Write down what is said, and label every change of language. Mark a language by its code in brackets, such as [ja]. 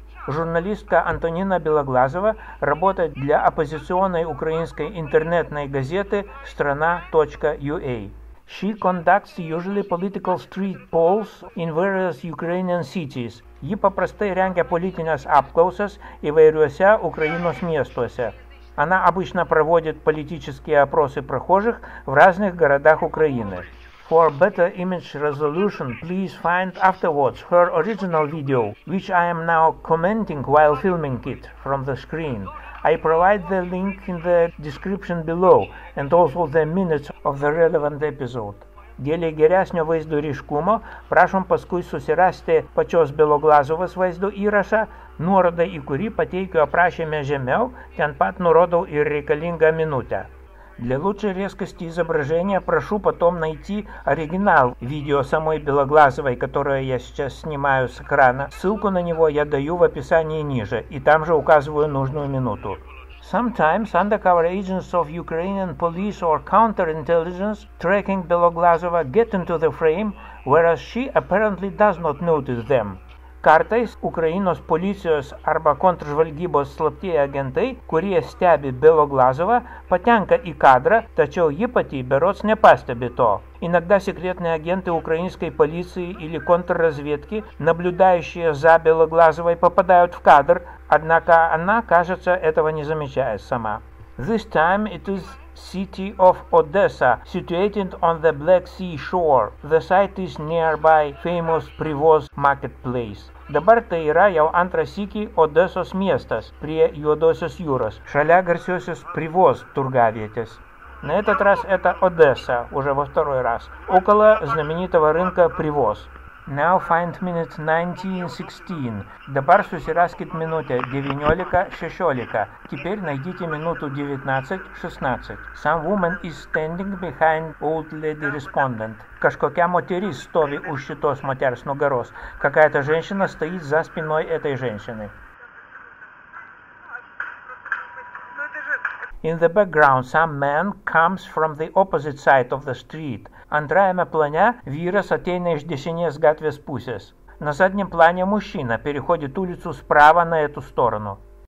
[ru] Журналистка Антонина Белоглазова работает для оппозиционной украинской интернетной газеты «Страна.ua». [en] She conducts usually political street polls in various Ukrainian cities. [lt] Ji paprastai rengia politines apklausas įvairiuose Ukrainos miestuose. [ru] Она обычно проводит политические опросы прохожих в разных городах Украины. [en] For better image resolution, please find afterwards her original video, which I am now commenting while filming it from the screen. I provide the link in the description below and also the minutes of the relevant episode. [lt] Dėlį geresnio vaizdo ryškumo, prašom paskui susirasti pačios Beloglazovos vaizdo įrašą, nuorodą į kurį pateikiu aprašymę žemiau, ten pat nurodau ir reikalingą minutę. [ru] Для лучшей резкости изображения прошу потом найти оригинал видео самой Белоглазовой, которое я сейчас снимаю с экрана. Ссылку на него я даю в описании ниже, и там же указываю нужную минуту. [en] Sometimes undercover agents of Ukrainian police or counterintelligence tracking Beloglazova get into the frame, whereas she apparently does not notice them. [lt] Kartais Ukrainos policijos arba kontržvalgybos slaptieji agentai, kurie stebi Beloglazovą, patenka į kadrą, tačiau ji pati berods nepastebi to. [ru] Иногда секретные агенты украинской полиции или контрразведки, наблюдающие за Белоглазовой, попадают в кадр, однако она, кажется, этого не замечает сама. [en] This time it is city of Odessa, situated on the Black Sea shore. The site is nearby famous Privoz marketplace. [lt] Dabar tai yra jau antras sykį Odesos miestas prie Juodosios jūros, šalia garsiosios Privoz turgavietės. [ru] На этот раз это Одесса, уже во второй раз, около знаменитого рынка Привоз. [en] Now find minute 19:16. [lt] Dabar susiraskit minutę 19:16. [ru] Теперь найдите минуту 19:16. [en] Some woman is standing behind old lady respondent. [lt] Kažkokia moteris stovi už šitos moters nugaros. [ru] Какая-то женщина стоит за спиной этой женщины. [en] In the background, some man comes from the opposite side of the street. [lt] Antrajame plane vyras ateina iš dešinės gatvės pusės. [ru] На заднем плане мужчина переходит улицу справа на эту сторону.